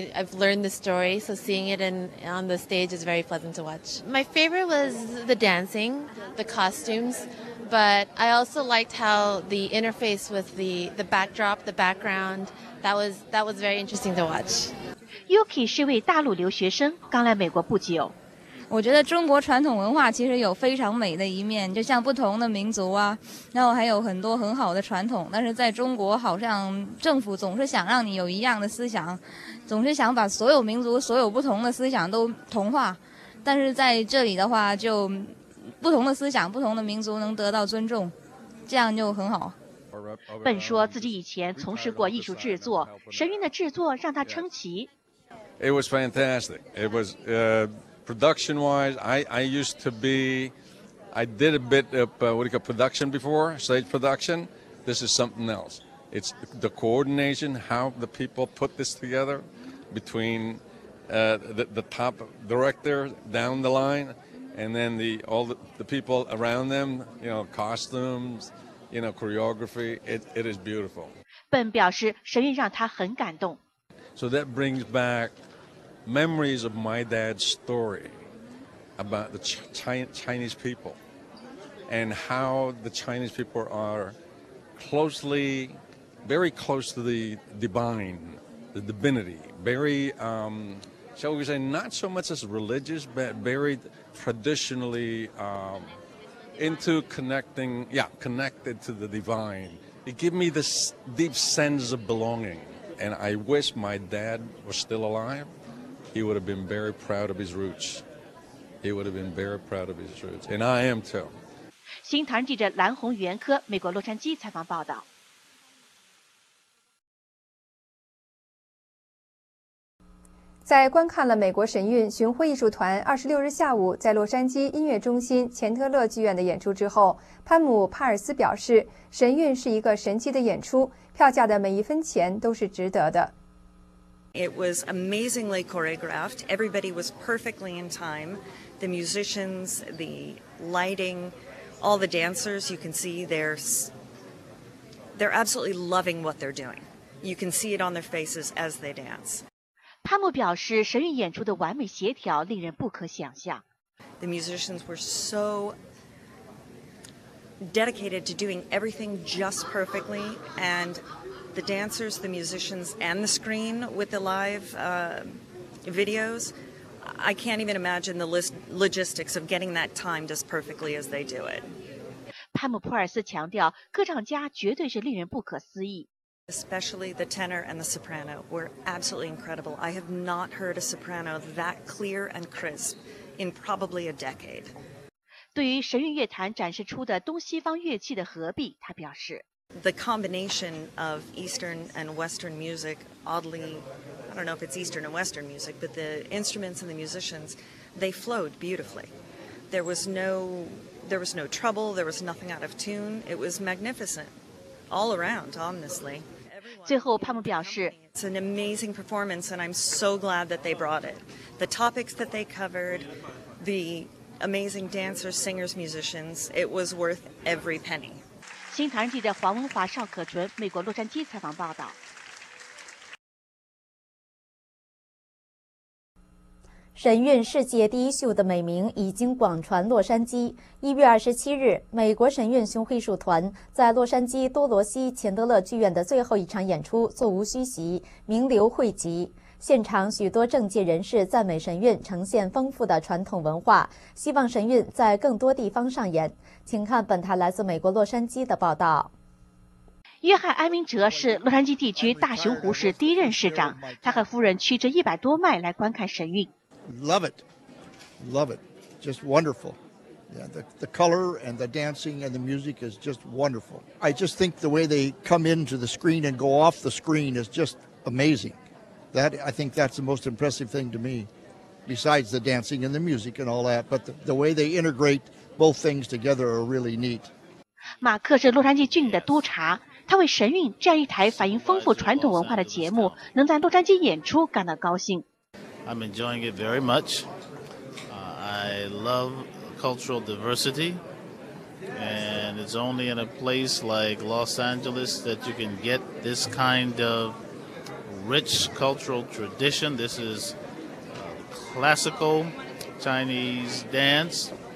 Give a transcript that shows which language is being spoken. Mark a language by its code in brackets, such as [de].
[en] I've learned the story, so seeing it on the stage is very pleasant to watch. My favorite was the dancing, the costumes, but I also liked how the interface with the backdrop, the background, that was very interesting to watch. [zh] Yuki 是一位大陆留学生，刚来美国不久。我觉得中国传统文化其实有非常美的一面，就像不同的民族啊，然后还有很多很好的传统，但是在中国好像政府总是想让你有一样的思想，总是想把所有民族所有不同的思想都同化，但是在这里的话就不同的思想不同的民族能得到尊重，这样就很好。笨说自己以前从事过艺术制作，神韵的制作让他称奇。 [en] It was fantastic. It was production-wise. I did a bit of production before, stage production. This is something else. It's the coordination, how the people put this together between the top director down the line, and then all the people around them. You know, costumes. You know, choreography. It is beautiful. [zh] 本表示神韵让他很感动。 [en] So that brings back. Memories of my dad's story about the Chinese people and how the Chinese people are closely, very close to the divine, the divinity, very, shall we say, not so much as religious, but very traditionally into connecting, connected to the divine. It gave me this deep sense of belonging, and I wish my dad was still alive. He would have been very proud of his roots. He would have been very proud of his roots. And I am too. [zh] 新唐人记者蓝红袁科，美国洛杉矶采访报道。在观看了美国神韵巡回艺术团26日下午在洛杉矶音乐中心钱特勒剧院的演出之后，潘姆·帕尔斯表示，神韵是一个神奇的演出，票价的每一分钱都是值得的。 [en] It was amazingly choreographed. Everybody was perfectly in time. The musicians, the lighting, all the dancers, you can see they're absolutely loving what they're doing. You can see it on their faces as they dance. [zh] 潘姆表示，神韵演出的完美协调令人不可想象。 [en] The musicians were so dedicated to doing everything just perfectly and... The dancers, the musicians, and the screen with the live videos, I can't even imagine the logistics of getting that timed as perfectly as they do it. [zh] 潘姆·普尔斯强调，歌唱家绝对是令人不可思议。 [en] Especially the tenor and the soprano were absolutely incredible. I have not heard a soprano that clear and crisp in probably a decade. [zh] 对于神韵乐团展示出的东西方乐器的合璧，他表示。 [en] The combination of Eastern and Western music, oddly, I don't know if it's Eastern and Western music, but the instruments and the musicians, they flowed beautifully. There was no trouble, there was nothing out of tune. It was magnificent all around, honestly. [zh] 最后，潘姆表示 [en] It's an amazing performance, and I'm so glad that they brought it. The topics that they covered, the amazing dancers, singers, musicians, it was worth every penny. [zh] 新唐人记者黄文华、邵可纯，美国洛杉矶采访报道。神韵世界第一秀的美名已经广传洛杉矶。 1月27日，美国神韵巡回艺术团在洛杉矶多罗西钱德勒剧院的最后一场演出座无虚席，名流汇集。现场许多政界人士赞美神韵呈现丰富的传统文化，希望神韵在更多地方上演。请看本台来自美国洛杉矶的报道。约翰·埃明哲是洛杉矶地区大熊湖市第一任市长，他和夫人驱车100多迈来观看神韵。 [en] Love it, love it, just wonderful. Yeah, the color and the dancing and the music is just wonderful. I just think the way they come into the screen and go off the screen is just amazing. That I think that's the most impressive thing to me, besides the dancing and the music and all that. But the way they integrate.Both things together are really neat. [zh] 马克是洛杉矶郡的督察，他为神韵这样一台反映丰富传统文化的节目能在洛杉矶演出感到高兴。 [en] I'm enjoying it very much. I love cultural diversity, and it's only in a place like Los Angeles that you can get this kind of rich cultural tradition. This is classical Chinese dance.